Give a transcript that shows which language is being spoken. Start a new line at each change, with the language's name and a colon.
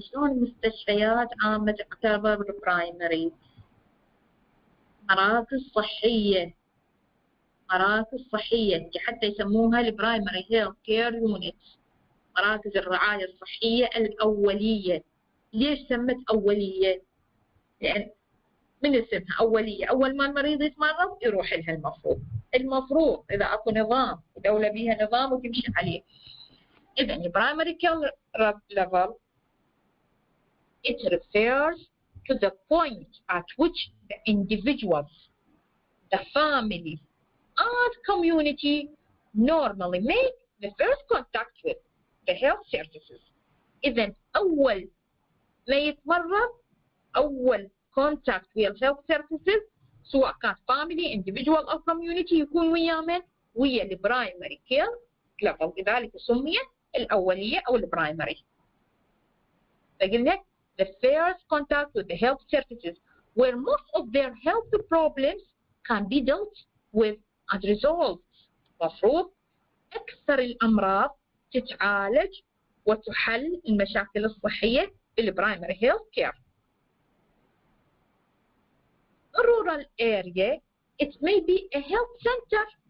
Arabic: شلون مستشفيات عامة تعتبر برايمري؟ مراكز صحية، مراكز صحية حتى يسموها البرايمري هيلث كير يونت، مراكز الرعاية الصحية الأولية. ليش سمت أولية؟ لأن من اسمها أولية، أول ما المريض يتمرض يروح لها. المفروض المفروض إذا أكو نظام دولة بيها نظام وتمشي عليه.
English: إذن the primary care level it refers to the point at which the individuals, the family and community normally make the first contact with the health services.
Arabic: إذن أول ما يتمرض أول
English: contact with health services
Arabic: سواء كان family, individual أو community يكون وياه من ويا ال
English: primary care level,
Arabic: لذلك سميت الأولية أو ال primary.
English: فقلنا the first contact with the health services where most of their health problems can be dealt with and resolved.
Arabic: مفروض أكثر الأمراض تتعالج وتحل المشاكل الصحية بال primary health care.
English: A rural area, it may be a health center.